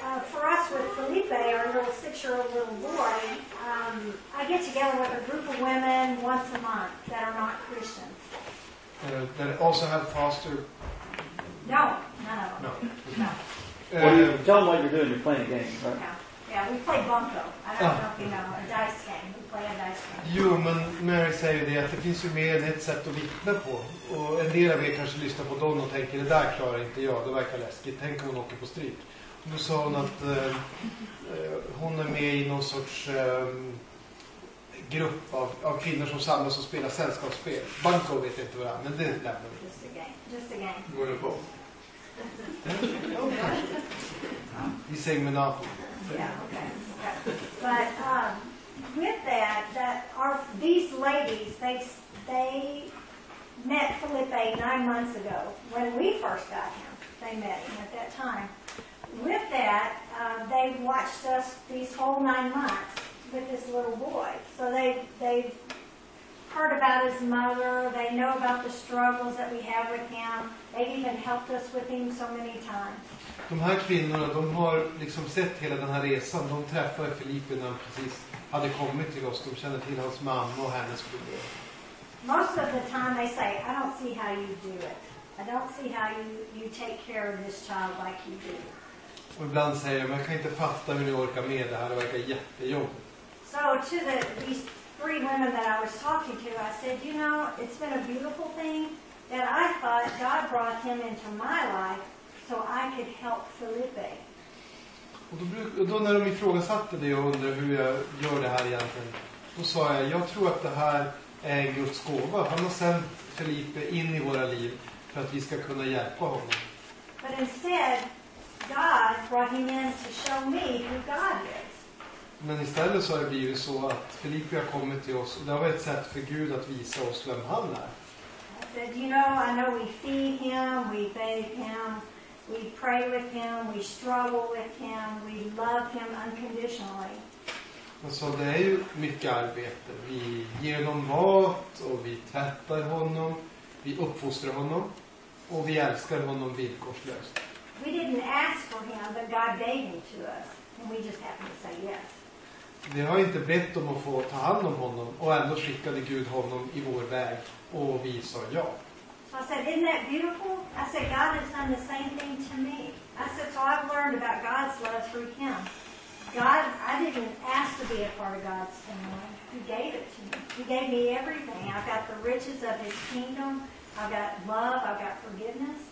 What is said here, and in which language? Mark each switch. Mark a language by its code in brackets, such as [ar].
[en] For us with Felipe, our little six-year-old little boy, I get together with a group of women once a month that are not Christians. That also have pastor? No, none of them. No. Well, you tell them what you're doing. You're playing a game, right? Yeah, we play bunko. I don't know if you know, a dice game. We play a dice game. [sv] Jo, men Mary säger det att det finns ju mer ett sätt att vittna på. Och en del av er kanske lyssnar på Don och tänker, det där klarar inte jag, det verkar läskigt. Tänk om hon åker på stryk. Och då sa hon att hon är med i någon sorts grupp av kvinnor som samlas och spelar sällskapsspel. Bunko vet inte vad det är, men det lämnar vi. [en] Just a game. [sv] Går du på? I seminar. [en] Yeah, okay. But these ladies, they met Felipe 9 months ago when we first got him. They met him at that time. With that, they watched us these whole 9 months with this little boy. So they've heard about his mother. They know about the struggles that we have with him. They've even helped us with him so many times. [sv] De här kvinnorna, de har liksom sett hela den här resan. De träffade Felipe när han precis hade kommit till oss. De kände till hans mamma och hennes problem. [en] Most of the time they say, I don't see how you do it. I don't see how you take care of this child like you do. [sv] Och ibland säger de, jag kan inte fatta hur ni orkar med det här. Det verkar jättejobbigt. [en] So to these three women that I was talking to, I said, you know, it's been a beautiful thing that I thought God brought him into my life. So I could help Felipe. [sv] Och då när de ifrågasatte det och undrade hur jag gör det här egentligen, då sa jag tror att det här är en Guds gåva. Han har sänt Felipe in i våra liv för att vi ska kunna hjälpa honom. [en] But instead, God brought him in to show me who God is. [sv] Men istället så har det blivit så att Felipe har kommit till oss och det har varit ett sätt för Gud att visa oss vem han är. [en] Said, you know, I know we feed him, we bathe him. We pray with him, we struggle with him, we love him unconditionally. [sv] Alltså, det är ju mycket arbete. Vi ger honom mat och vi tvättar honom, vi uppfostrar honom och vi älskar honom villkorslöst. [en] We didn't ask for him, but God gave him to us and we just happened to say yes. [sv] Vi har inte bett om att få ta hand om honom och ändå skickade Gud honom i vår väg och vi sa ja. [en] I said, isn't that beautiful? I said, God has done the same thing to me. I said, so I've learned about God's love through him. God, I didn't ask to be a part of God's family. He gave it to me. He gave me everything. I've got the riches of his kingdom. I've got love. I've got forgiveness.